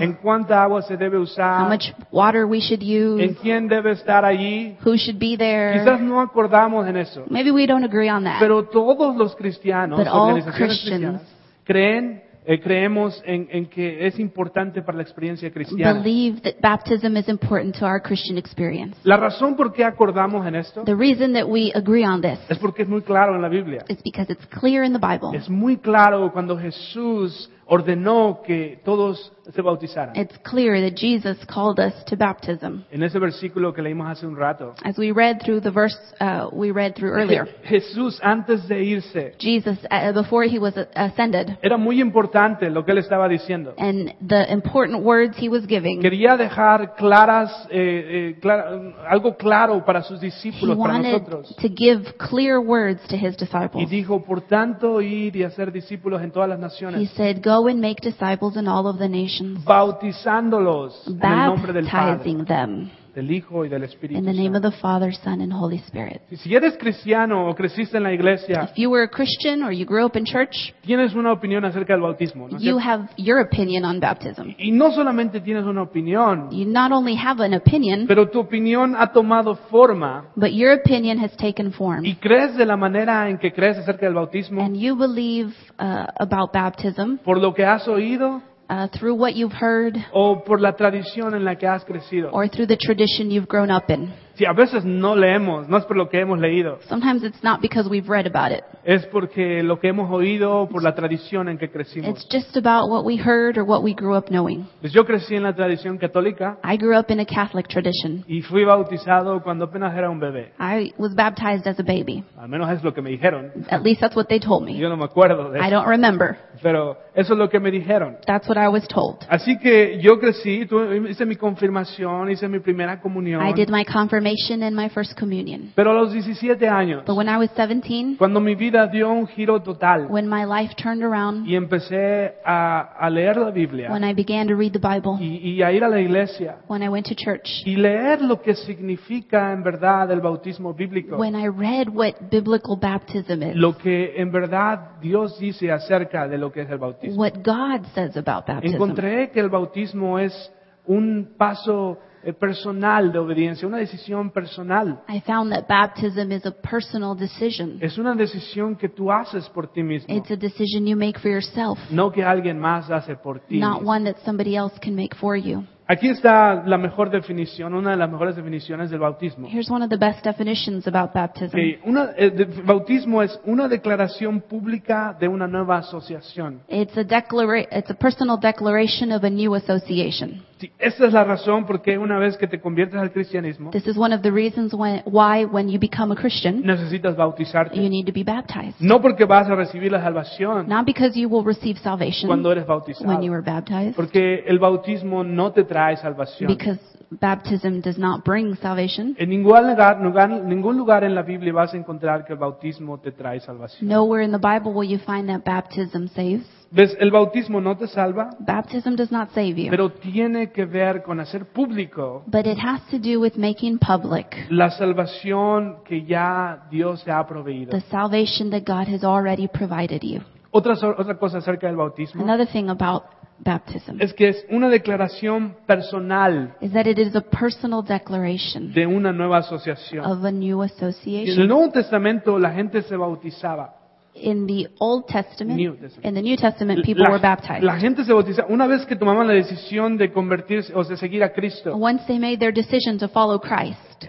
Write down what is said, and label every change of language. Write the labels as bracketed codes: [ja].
[es] en cuánta agua se debe usar, [en] how much water we should use, [es] en quién debe estar allí, [en] who should be there. [es] Quizás no acordamos en eso. [en] Maybe we don't agree on that. [es] Pero todos los cristianos, [en] but all Christians, [es] creemos en que es importante para la experiencia cristiana. [en] Believe that baptism is important to our Christian experience. [es] La razón por qué acordamos en esto. [en] The reason that we agree on this. [es] Es porque es muy claro en la Biblia. [en] It's because it's clear in the Bible. [es] Es muy claro cuando Jesús ordenó que todos se bautizaran. [en] It's clear that Jesus called us to baptism. [es] En ese versículo que leímos hace un rato. [en] As we read through the verse we read through earlier. [es] Jesús antes de irse. [en] Jesus before he was ascended. [es] Era muy importante lo que él estaba diciendo. [en] And the important words he was giving. [es] Quería dejar claras algo claro para sus discípulos, para nosotros. [en] He wanted to give clear words to his disciples. [es] Y dijo, por tanto, ir y hacer discípulos en todas las naciones. [en] He said, go and make disciples in all of the nations. [es] Bautizándolos en el nombre del Padre, [en] them, [es] del Hijo y del Espíritu Santo. [en] In the name of the Father, Son, and Holy Spirit. [es] Si eres cristiano o creciste en la iglesia, [en] if you were a Christian or you grew up in church, [es] tienes una opinión acerca del bautismo, ¿no? [en] You have your opinion on baptism. [es] Y no solamente tienes una opinión, [en] you not only have an opinion, [es] pero tu opinión ha tomado forma, [en] but your opinion has taken form. [es] Y crees de la manera en que crees acerca del bautismo, [en] and you believe about baptism, [es] por lo que has oído, [en] Through what you've heard, [es] o por la tradición en la que has crecido, [en] or through the tradition you've grown up in. [es] Sí, a veces no leemos, no es por lo que hemos leído. [en] Sometimes it's not because we've read about it. [es] Es porque lo que hemos oído por la tradición en que crecimos. [en] It's just about what we heard or what we grew up knowing. [es] Pues yo crecí en la tradición católica. [en] I grew up in a Catholic tradition. [es] Y fui bautizado cuando apenas era un bebé. [en] I was baptized as a baby. [es] Al menos es lo que me dijeron. [en] At least that's what they told me. [es] Yo no me acuerdo de eso. [en] I don't remember. [es] Pero eso es lo que me dijeron. [en] That's what I was told. [es] Así que yo crecí, hice mi confirmación, hice mi primera comunión. [en] I did my confirmation in my first communion. [es] Pero a los 17 años, [en] but when I was 17, [es] cuando mi vida dio un giro total, [en] when my life turned around, [es] y empecé a leer la Biblia, [en] when I began to read the Bible, [es] y a ir a la iglesia, [en] when I went to church, [es] y leer lo que significa en verdad el bautismo bíblico, [en] when I read what biblical baptism is, [es] lo que en verdad Dios dice acerca de lo que es el bautismo, [en] what God says about baptism, [es] encontré que el bautismo es un paso personal de obediencia, una decisión personal. [en] I found that baptism is a personal decision. [es] Es una decisión que tú haces por ti mismo. [en] It's a decision you make for yourself. [es] No que alguien más hace por ti. [en] Not one that somebody else can make for you. [es] Aquí está la mejor definición, una de las mejores definiciones del bautismo. [en] Here's one of the best definitions about baptism. Okay. [es] Bautismo es una declaración pública de una nueva asociación. [en] It's a personal declaration of a new association. [es] Sí, esa es la razón por qué una vez que te conviertes al cristianismo, [en] this is one of the reasons why when you become a Christian, [es] necesitas bautizarte. [en] You need to be baptized. [es] No porque vas a recibir la salvación, [en] not because you will receive salvation, [es] cuando eres bautizado, [en] when you are baptized, [es] porque el bautismo no te trae salvación. [en] Because baptism does not bring salvation. [es] En ningún lugar en la Biblia vas a encontrar que el bautismo te trae salvación. [en] Nowhere in the Bible will you find that baptism saves. [es] ¿Ves? El bautismo no te salva. [en] Baptism does not save you. [es] Pero tiene que ver con hacer público. [en] But it has to do with making public. [es] La salvación que ya Dios te ha proveído. [en] The salvation that God has already provided you. [es] Otra cosa acerca del bautismo. [en] Another thing about baptism. [es] Es que es una declaración personal. [en] Is that it is a personal declaration. [es] De una nueva asociación. [en] Of a new association. [es] En el Nuevo Testamento la gente se bautizaba. [en] In the Old Testament, in the New Testament, people were baptized. [es] La gente se bautiza una vez que tomaban la decisión de convertirse o de seguir a Cristo. [en] Once they made their decision to follow Christ.